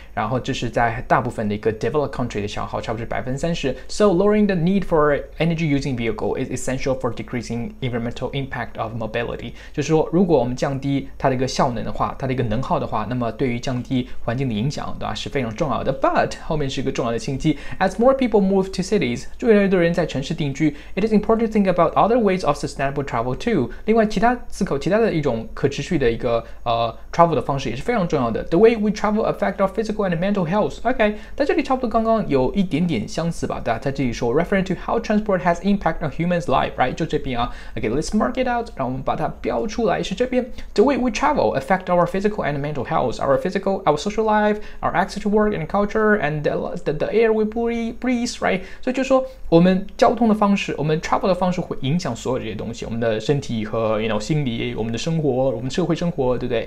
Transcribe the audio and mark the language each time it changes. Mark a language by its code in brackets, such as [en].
[zh] 然后这是在大部分的一个 developed country 的消耗，差不多是30%。 [en] So lowering the need for energy using vehicle is essential for decreasing environmental impact of mobility。 [zh] 就是说，如果我们降低它的一个效能的话，它的一个能耗的话，那么对于降低环境的影响，对吧，是非常重要的。 But 后面是一个重要的信息。 [en] As more people move to cities， [zh] 越来越多人在城市定居， [en] It is important to think about other ways of sustainable travel too。 [zh] 另外其他思考其他的一种可持续的一个travel 的方式也是非常重要的。 [en] The way we travel affects our physical and mental health。 [zh] OK， 在这里差不多刚刚有一点点相似吧，对吧，在这里说 [en] Reference to how transport has impact on human's life， right？ [zh] 就这边啊。 [en] OK， let's mark it out， [zh] 让我们把它标出来，是这边。 [en] The way we travel affects our physical and mental health， our social lifeOur access to work and culture and the air we breathe, right? [zh] 所以就是说我们交通的方式，我们 travel 的方式会影响所有这些东西，我们的身体和心理，我们的生活，我们社会生活，对不对？